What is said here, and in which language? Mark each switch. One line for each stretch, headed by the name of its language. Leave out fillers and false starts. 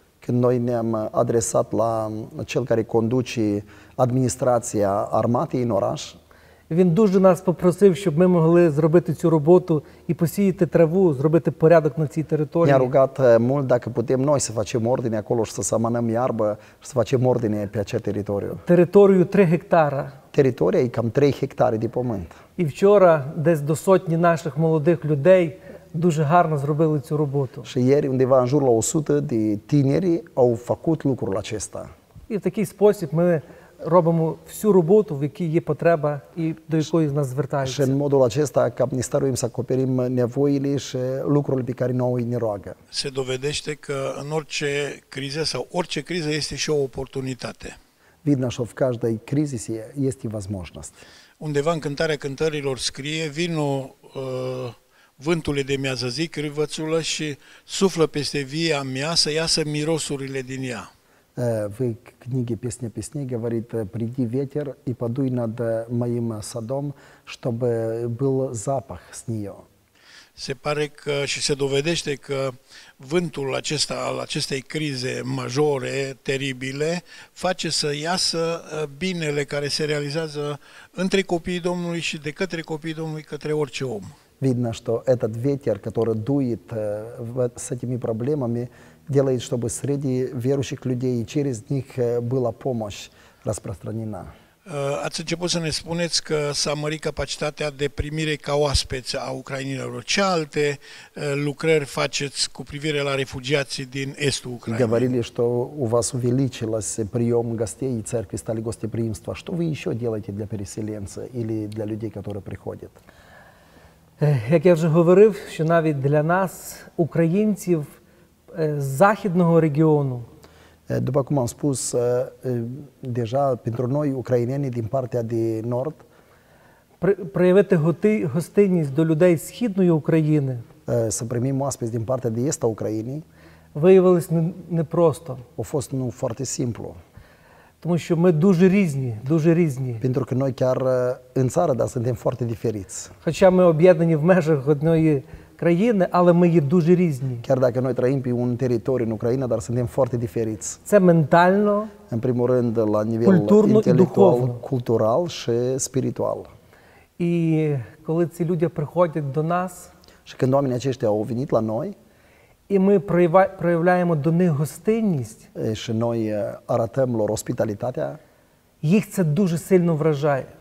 Romanian: când noi ne-am adresat la cel care conduce administrația armatei în oraș.
Ukrainian: Він дуже нас попросив, щоб ми могли зробити цю роботу і посіяти траву, зробити порядок на цій території.
Romanian: Ne-a rugat mult dacă putem noi să facem ordine acolo și să semănăm iarbă și să facem ordine pe acea teritoriu.
Ukrainian: Територію 3 гектара. Територія і кам 3 гектари де помент. І вчора десь до сотні наших молодих людей дуже гарно зробили цю роботу.
Romanian: Și ieri undeva în jur la 100 de tineri au făcut lucrul acesta.
Ukrainian: І в такий спосіб ми робимо всю роботу, в якій є потреба і до якої нас звертаються.
Romanian: Și în modul acesta cam ne staruim să acoperim nevoile și lucrurile pe care noi ne roagă. Se dovedește că în orice criză sau orice criză este și o oportunitate.
Ukrainian: Видно, що в кожній кризі є можливість.
Romanian: Undeva în cântarea cântărilor scrie, vino vântul de miază zi, crivățulă și suflă peste via mea să iasă mirosurile din ea.
Russian: В книге «Песня песней» говорит: «Приди ветер и подуй над моим садом, чтобы был запах с нее».
Romanian: Se pare că și se dovedește că vântul acesta al acestei crize majore, teribile, face să iasă binele care se realizează între copiii Domnului și de către copiii Domnului către orice om.
Russian: Видно, что этот ветер, который дует с этими проблемами, делает, чтобы среди верующих людей через них была помощь распространена.
Romanian: Ați început să ne spuneți că s-a mărit capacitatea de primire ca oaspeți a ucrainilor. Ce alte lucrări faceți cu privire la refugiații din estul Ucrainei?
Russian: Говорили, что у вас увеличилось прием гостей и церкви стали гостеприимства. Что вы еще делаете для переселенца или для людей, которые приходят?
Ukrainian: Як я вже говорив, що навіть для нас, українців з західного регіону,
Romanian: după cum am spus, deja pentru noi, ucrainenii din partea de nord,
Ukrainian: проявити гостинність до людей Східної України,
Romanian: să primim oaspeți din partea de est a Ucrainei,
Ukrainian: виявилось непросто.
Romanian: A fost nu foarte simplu.
Ukrainian: Тому що ми дуже різні, дуже різні.
Romanian: Pentru că noi chiar în țară, dar suntem foarte diferiți.
Ukrainian: Хоча ми об'єднані в межах одної країни, але ми є дуже різні.
Romanian: Chiar dacă noi trăim pe un teritoriu în Ucraina, dar suntem foarte diferiți.
Ukrainian: Це ментально,
Romanian: în primul rând, la nivel intelectual, cultural și spiritual.
Ukrainian: І коли ці люди приходять до нас,
Romanian: și când oamenii aceștia au venit la noi,
Ukrainian: і ми проявляємо до них гостинність,
Romanian: și noi arătăm lor ospitalitatea,
Ukrainian: їх це дуже сильно вражає.